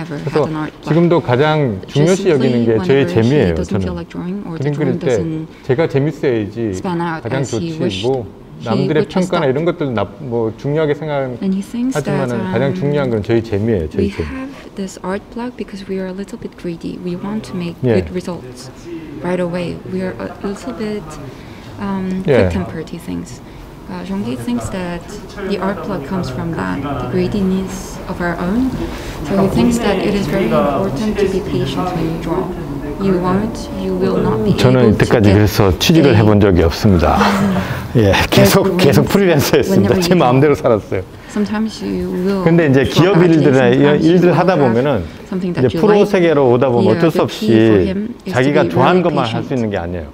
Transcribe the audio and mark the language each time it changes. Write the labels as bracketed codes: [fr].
[ko] 그래서 지금도 가장 중요시 여기는 게 저의 재미예요. 저는 그림 그릴 때 제가 재밌어야지 가장 좋지. 뭐 남들의 평가나 이런 것들 뭐 중요하게 생각하지만 가장 중요한 건 저희 재미예요. 저희 재미. [en] This art block because we are a little bit greedy. We want to make good results right away. We are a little bit quick-tempered, he thinks. Zhonggi thinks that the art block comes from that, the greediness of our own. So he thinks that it is very important to be patient when you draw. You won't, you will not be able to get [ko] 저는 이때까지 그래서 취직을 해본 적이 없습니다. 예, 계속 프리랜서였습니다. 제 마음대로 살았어요. [en] Sometimes you will [ko] 근데 이제 기업 일들이나 일들 하다 보면은 이제 프로 세계로 오다 보면 어쩔 수 없이 자기가 좋아하는 것만 할 수 있는 게 아니에요.